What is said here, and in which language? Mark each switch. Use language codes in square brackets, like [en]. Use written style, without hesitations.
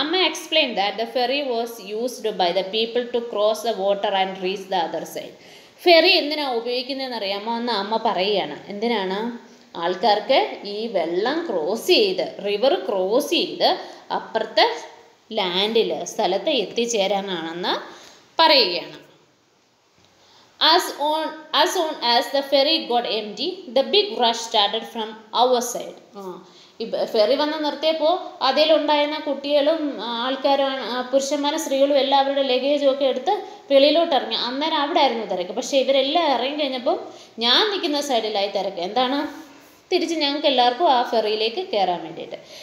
[en] അമ്മ explain that the ferry was used by the people to cross the water and reach the other side. [ml] Ferry എന്തിനാണ് ഉപയോഗിക്കുന്നതെന്ന് അറിയാമോ എന്ന് അമ്മ പറയുകയാണ്. എന്തിനാണ്, ആൾക്കാർക്ക് ഈ വെള്ളം ക്രോസ് ചെയ്ത്, റിവർ ക്രോസ് ചെയ്ത് അപ്പുറത്തെ ലാൻഡിൽ, സ്ഥലത്ത് എത്തിച്ചേരാനാണെന്ന് പറയുകയാണ്. [en] As soon as the ferry got empty, the big rush started from our side. [ml] Ferry വന്ന് നിർത്തിയപ്പോൾ അതിലുണ്ടായിരുന്ന കുട്ടികളും ആൾക്കാരും, പുരുഷന്മാരും സ്ത്രീകളും എല്ലാം അവരുടെ ലഗേജും ഒക്കെ എടുത്ത് വെളിയിലോട്ട് ഇറങ്ങി. അന്നേരം അവിടെ ആയിരുന്നു തിരക്ക്. പക്ഷേ ഇവരെല്ലാം ഇറങ്ങി കഴിഞ്ഞപ്പോൾ ഞാൻ നിൽക്കുന്ന സൈഡിലായി തിരക്ക്. എന്താണ്, തിരിച്ച് ഞങ്ങൾക്ക് എല്ലാവർക്കും ആ ഫെറിയിലേക്ക് കയറാൻ വേണ്ടിയിട്ട്.